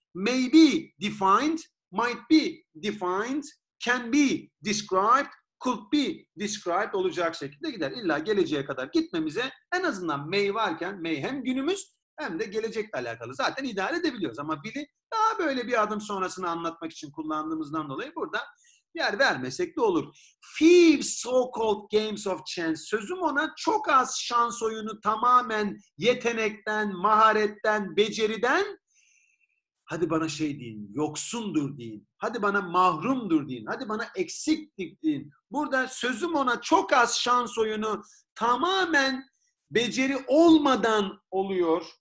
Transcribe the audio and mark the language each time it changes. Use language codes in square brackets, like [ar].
[en] May be defined, might be defined, can be described, could be described [tr] olacak şekilde gider. İlla geleceğe kadar gitmemize en azından may varken, may hem günümüz hem de gelecekle alakalı. Zaten idare edebiliyoruz ama bili daha böyle bir adım sonrasını anlatmak için kullandığımızdan dolayı burada yer vermesek de olur. [en] Five so-called games of chance. [tr] Sözüm ona, çok az şans oyunu tamamen yetenekten, maharetten, beceriden, hadi bana şey deyin, yoksundur deyin, hadi bana mahrumdur deyin, hadi bana eksiklik deyin. Burada sözüm ona, çok az şans oyunu tamamen beceri olmadan oluyor.